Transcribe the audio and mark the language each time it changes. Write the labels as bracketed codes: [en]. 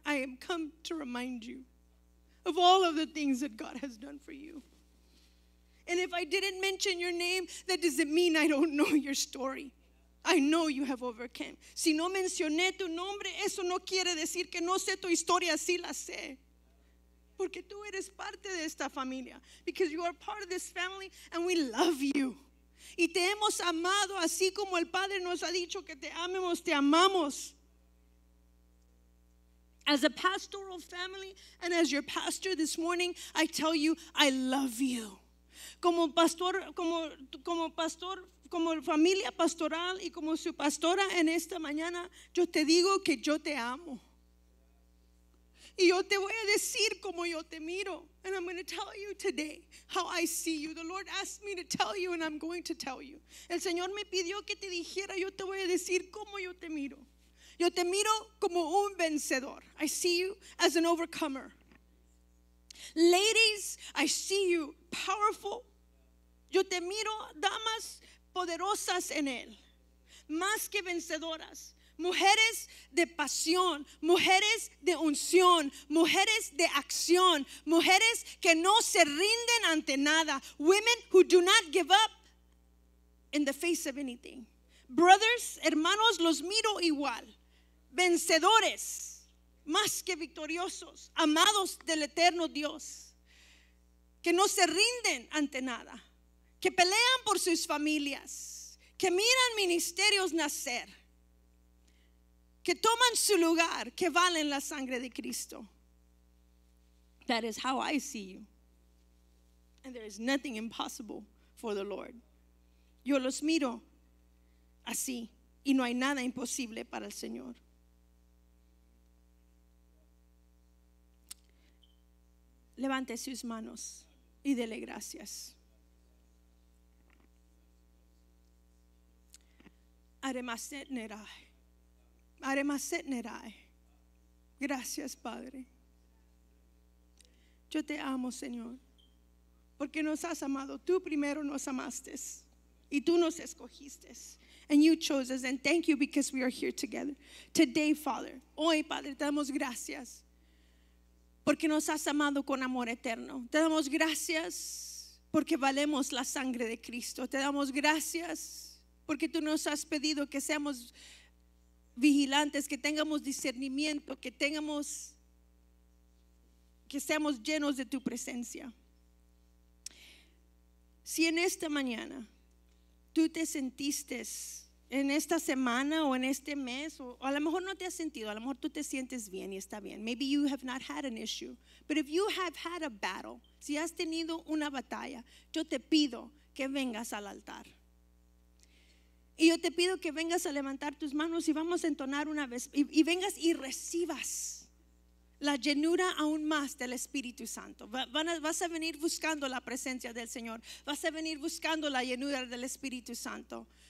[en] I am come to remind you of all of the things that God has done for you. And if I didn't mention your name, that doesn't mean I don't know your story. I know you have overcome. [es] Si no mencioné tu nombre, eso no quiere decir que no sé tu historia. Sí la sé. Porque tú eres parte de esta familia. [en] Because you are part of this family and we love you. [es] Y te hemos amado así como el Padre nos ha dicho que te amemos, te amamos. [en] As a pastoral family and as your pastor this morning, I tell you, I love you. [es] Como familia pastoral y como su pastora en esta mañana, yo te digo que yo te amo. Y yo te voy a decir como yo te miro. [en] And I'm going to tell you today how I see you. The Lord asked me to tell you and I'm going to tell you. [es] El Señor me pidió que te dijera, yo te voy a decir como yo te miro. Yo te miro como un vencedor. [en] I see you as an overcomer. Ladies, I see you powerful. [es] Yo te miro, damas poderosas en Él. Más que vencedoras. Mujeres de pasión, mujeres de unción, mujeres de acción, mujeres que no se rinden ante nada. [en] Women who do not give up in the face of anything. [es] Brothers, hermanos, los miro igual. Vencedores, más que victoriosos, amados del eterno Dios, que no se rinden ante nada, que pelean por sus familias, que miran ministerios nacer, que toman su lugar, que valen la sangre de Cristo. [en] That is how I see you. And there is nothing impossible for the Lord. [es] Yo los miro así, y no hay nada imposible para el Señor. Levante sus manos y dele gracias. Aremaset nerai. Gracias, Padre. Yo te amo, Señor, porque nos has amado. Tú primero nos amaste y tú nos escogiste. [en] And you chose us, and thank you because we are here together. Today, Father, [es] hoy, Padre, te damos gracias porque nos has amado con amor eterno. Te damos gracias porque valemos la sangre de Cristo. Te damos gracias porque tú nos has pedido que seamos vigilantes, que tengamos discernimiento, que seamos llenos de tu presencia. Si en esta mañana tú te sentiste, en esta semana o en este mes, o a lo mejor no te has sentido, a lo mejor tú te sientes bien y está bien. [en] Maybe you have not had an issue, but if you have had a battle, [es] si has tenido una batalla, yo te pido que vengas al altar. Y yo te pido que vengas a levantar tus manos y vamos a entonar una vez. Y vengas y recibas la llenura aún más del Espíritu Santo. Vas a venir buscando la presencia del Señor. Vas a venir buscando la llenura del Espíritu Santo.